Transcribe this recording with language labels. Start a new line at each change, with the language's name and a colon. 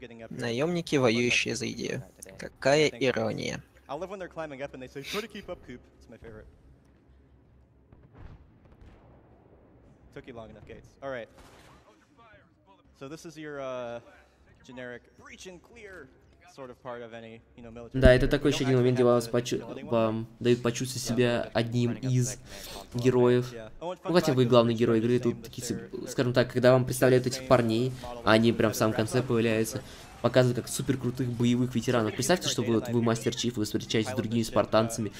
Russian: Наемники, воюющие за идею. Какая ирония.
English: I love when they're climbing up and they say, "Try to keep up, Coop." It's my favorite. Took you long enough, Gates. All right. So this is your generic breach and clear sort of part of any, you know, military.
Russian: Да, это такой еще один момент, где вам дают почувствовать себя одним из героев. Ну хотя вы главный герой игры, тут такие, скажем так, когда вам представляют этих парней, они прям в самом конце появляются. Показывают как супер крутых боевых ветеранов. Представьте, что вы мастер чиф, вы встречаетесь с другими спартанцами.